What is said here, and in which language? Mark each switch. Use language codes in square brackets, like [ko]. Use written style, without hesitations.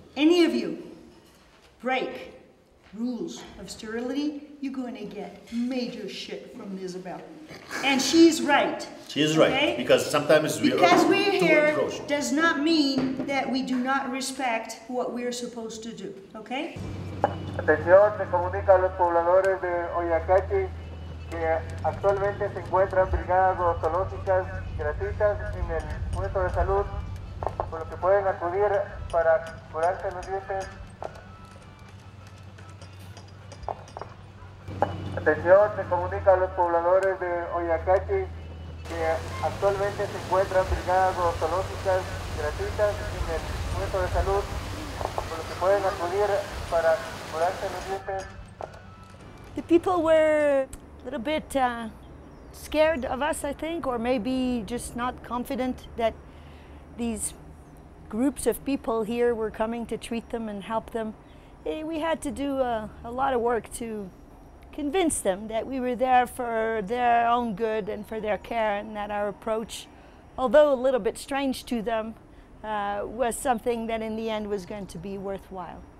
[en] Any of you break rules of sterility, you're going to get major shit from Isabel. And she's right. She is right, okay? Because sometimes we because are we're here does not mean that we do not respect what we're supposed to do, okay? [es] Atención, se comunica a los pobladores de Oyacachi que actualmente se encuentran brigadas odontológicas gratuitas en el puesto de salud, por lo que pueden acudir para curarse los dientes Inspección se comunica a los pobladores de Oyacachi que actualmente se encuentran brigadas odontológicas gratuitas en el centro de salud, por lo que pueden acudir para curarse los dientes. [en] The people were a little bit scared of us, I think, or maybe just not confident that these groups of people here were coming to treat them and help them. We had to do a lot of work to convince them that we were there for their own good and for their care, and that our approach, although a little bit strange to them, was something that in the end was going to be worthwhile.